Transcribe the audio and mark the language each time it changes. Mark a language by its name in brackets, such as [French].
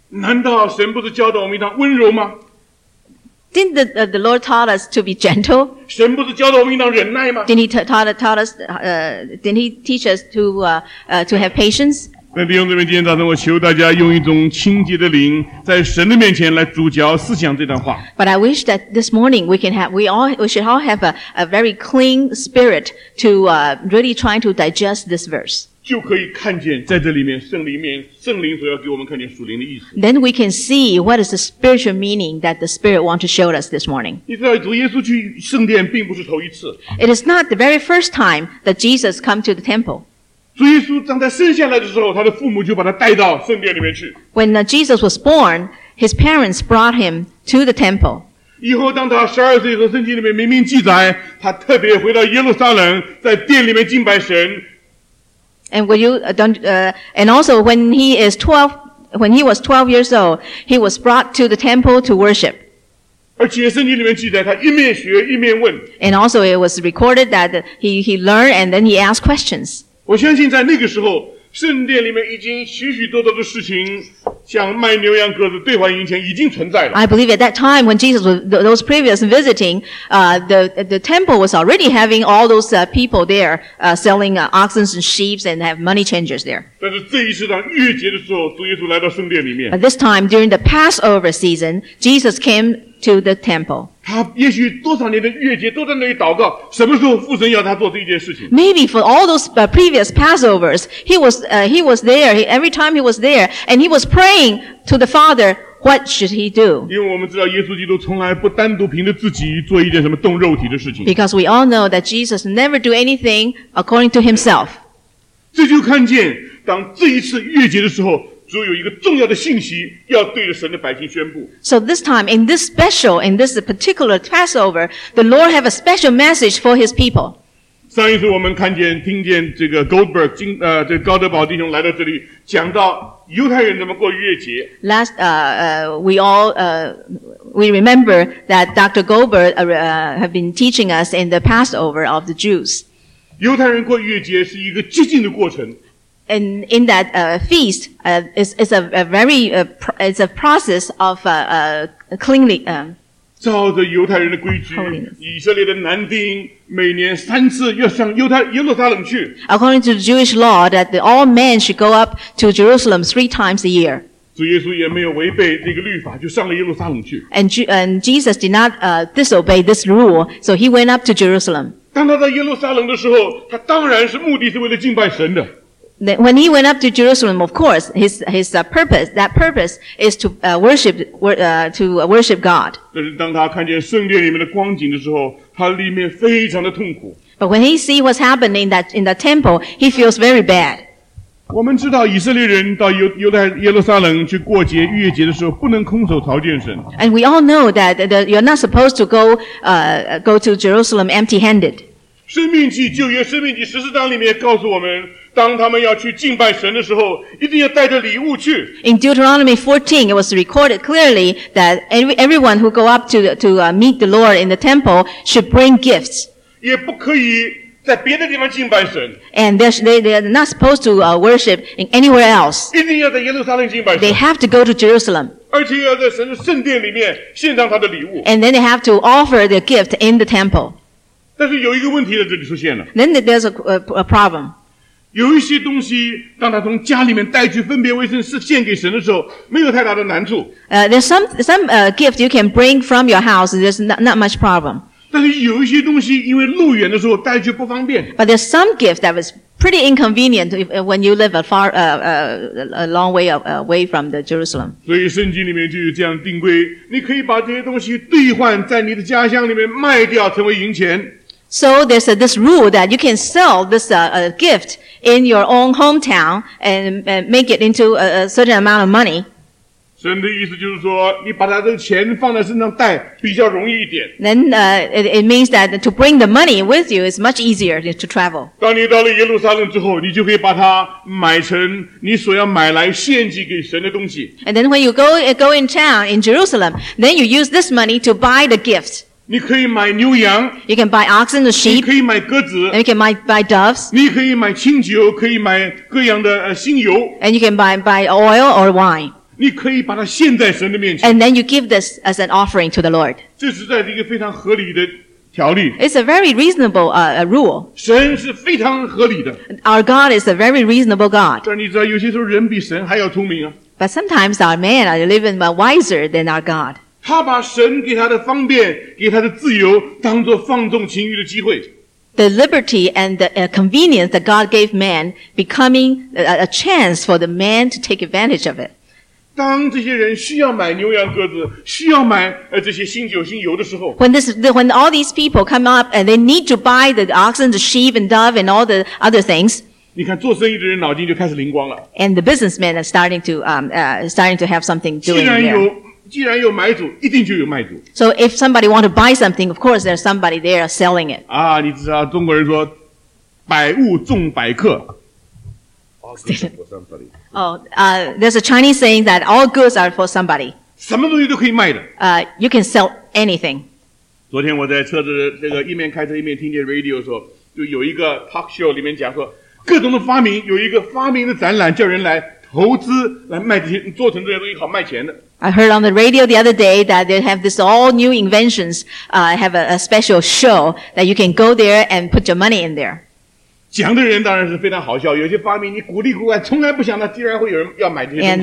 [Chinese] 难道神不是教导我们一样温柔吗？ [English] Didn't the Lord taught us to be gentle? [Chinese] 神不是教导我们一样忍耐吗？ [English] Didn't he teach us to have patience? [Chinese] 那弟兄姊妹，今天早晨我求大家用一种清洁的灵，在神的面前来主嚼思想这段话。 [English] But I wish that this morning we should all have a very clean spirit to really try to digest this verse. [Chinese] 就可以看见在这里面圣灵所要给我们看见属灵的意思。 [English] Then we can see what is the spiritual meaning that the Spirit want to show us this morning. [Chinese] 你知道主耶稣去圣殿并不是头一次。 [English] It is not the very first time that Jesus come to the temple. [Chinese] 主耶稣当他生下来的时候，他的父母就把他带到圣殿里面去。 [English] When Jesus was born, his parents brought him to the temple. [Chinese] 以后当他12岁的时候，圣经里面明明记载，他特别回到耶路撒冷，在殿里面敬拜神。 [English] And when he was 12 years old, he was brought to the temple to worship. [Chinese] 而且圣经里面记载他一面学一面问。 [English] And also it was recorded that he learned and then he asked questions. [Chinese] 我相信在那个时候圣殿里面已经许许多多的事情像卖牛羊鸽子兑换银钱已经存在了。 [English] I believe at that time when Jesus was those previous visiting, the temple was already having all those people there, selling oxen and sheep and have money changers there. [Chinese] 但是这一次当逾越节的时候主耶稣来到圣殿里面。 [English] But this time during the Passover season, Jesus came to the temple. [Chinese] 他也许多少年的逾越节都在那里祷告，什么时候父神要他做这件事情 [English] ？Maybe for all those previous Passovers, he was there. Every time he was there, and he was praying to the Father, what should he do? [Chinese] 因为我们知道耶稣基督从来不单独凭着自己做一件什么动肉体的事情。 [English] Because we all know that Jesus never do anything according to himself. [Chinese] 这就看见当这一次逾越节的时候。主有一个重要的信息要对着神的百姓宣布。 [English] So this time, in this special, in this particular Passover, the Lord have a special message for His people. [Chinese] 上一次我们听见这个 Goldberg, 这个高德堡弟兄来到这里讲到犹太人怎么过逾越节。 [English] Last, we remember that Dr. Goldberg, have been teaching us in the Passover of the Jews. [Chinese] 犹太人过逾越节是一个激进的过程。 [English] And in that feast, it's a very it's a process of cleanly [Chinese] 照着犹太人的规矩，以色列的男丁每年三次要向耶路撒冷去。 [English] According to the Jewish law, that all men should go up to Jerusalem three times a year. [Chinese] 主耶稣也没有违背这个律法，就上了耶路撒冷去。 [English] And Jesus did not disobey this rule, so he went up to Jerusalem. [Chinese] 当他在耶路撒冷的时候，他当然是目的是为了敬拜神的。 [English] When he went up to Jerusalem, of course, his purpose is to worship God. [Chinese] 但是当他看见圣殿里面的光景的时候，他里面非常的痛苦。 [English] But when he see what's happening in the temple, he feels very bad. [Chinese] 我们知道以色列人到耶路撒冷去过节逾越节的时候，不能空手朝见神。 [English] And we all know that you're not supposed to go to Jerusalem empty-handed. [Chinese] 生命记旧约生命记十四章里面告诉我们。当他们要去敬拜神的时候，一定要带着礼物去。 [English] In Deuteronomy 14, it was recorded clearly that everyone who go up to meet the Lord in the temple should bring gifts. [Chinese] 也不可以在别的地方敬拜神。 [English] And they are not supposed to worship in anywhere else. [Chinese] 一定要在耶路撒冷敬拜神。 [English] They have to go to Jerusalem. [Chinese] 而且要在神的圣殿里面献上他的礼物。 [English] And then they have to offer their gift in the temple. [Chinese] 但是有一个问题在这里出现了。 [English] Then there's a problem. [Chinese] 有一些东西当他从家里面带去分别为圣是献给神的时候没有太大的难处。 [English] There's some gift you can bring from your house, there's not much problem. [Chinese] 但是有一些东西因为路远的时候带去不方便。 [English] But there's some gift that was pretty inconvenient when you live a long way away from the Jerusalem. [Chinese] 所以圣经里面就有这样定规，你可以把这些东西兑换在你的家乡里面卖掉成为银钱。 [English] So there's this rule that you can sell this gift in your own hometown and make it into a certain amount of money. [Chinese] 神的意思就是说，你把他的钱放在身上带比较容易一点。 [English] Then it means that to bring the money with you is much easier to travel. [Chinese] 当你到了耶路撒冷之后，你就可以把它买成你所要买来献祭给神的东西。 [English] And then when you go in town in Jerusalem, then you use this money to buy the gift. [Chinese] 你可以买牛羊。 [English] You can buy oxen or sheep. [Chinese] 你可以买鸽子。 [English] And you can buy doves. [Chinese] 你可以买清酒，可以买各样的新油。 [English] And you can buy oil or wine. [Chinese] 你可以把它献在神的面前。 [English] And then you give this as an offering to the Lord. [Chinese] 这是在一个非常合理的条例。 [English] It's a very reasonable rule. [Chinese] 神是非常合理的。 [English] Our God is a very reasonable God. [Chinese] 但你知道，有些时候人比神还要聪明啊。 [English] But sometimes our man are even wiser than our God. [Chinese] 他把神给他的方便给他的自由当作放纵情欲的机会。 [English] The liberty and the convenience that God gave man becoming a chance for the man to take advantage of it. [Chinese] 当这些人需要买牛羊鸽子需要买这些新酒新油的时候。 [English] When all these people come up and they need to buy the oxen, the sheep and dove and all the other things. [Chinese] 你看做生意的人脑筋就开始灵光了。 [English] And the businessmen are starting to have something doing there. [Chinese] 既然有买主，一定就有卖主。 [English] So if somebody want to buy something, of course there's somebody there selling it. [Chinese] 啊，你知道中国人说，百物中百客。 [English] There's a Chinese saying that all goods are for somebody. [Chinese] 什么东西都可以卖的。 [English] You can sell anything. [Chinese] 昨天我在车子这个一面开车一面听见 radio 说，就有一个 talk show 里面讲说，各种的发明有一个发明的展览，叫人来。投资来卖这些，做成这些东西好卖钱的。 [English] I heard on the radio the other day that they have this all new inventions, have a special show that you can go there and put your money in there. [Chinese] 讲的人当然是非常好笑，有些发明你古里古怪，从来不想到竟然会有人要买这些东西。